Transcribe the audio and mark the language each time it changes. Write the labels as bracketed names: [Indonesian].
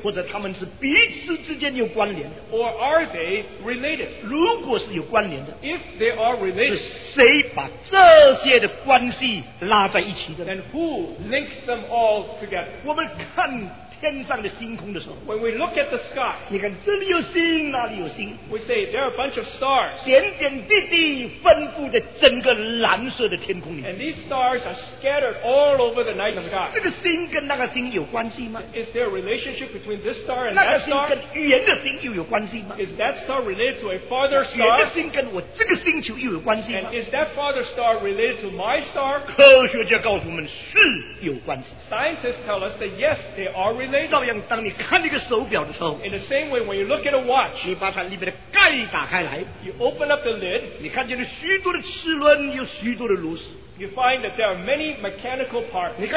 [English] Or are they related? If they are related, then who links them all together? When we look at the sky, [Chinese] 你看这里有星, 那里有星, [English] we say there are a bunch of stars. [Chinese] 点点滴滴分布在整个蓝色的天空里, [English] and these stars are scattered all over the night sky. [Chinese] 这个星跟那个星有关系吗? [English] Is there a relationship between this star and that star? [Chinese] 那个星跟圆的星又有关系吗? [English] Is that star related to a farther star? [Chinese] 圆的星跟我这个星球又有关系吗? [English] And is that farther star related to my star? [Chinese] 科学家告诉我们, [English] scientists tell us that yes, they are related. In the same way, when you look at a watch, you open up the lid, you find that there are many mechanical parts.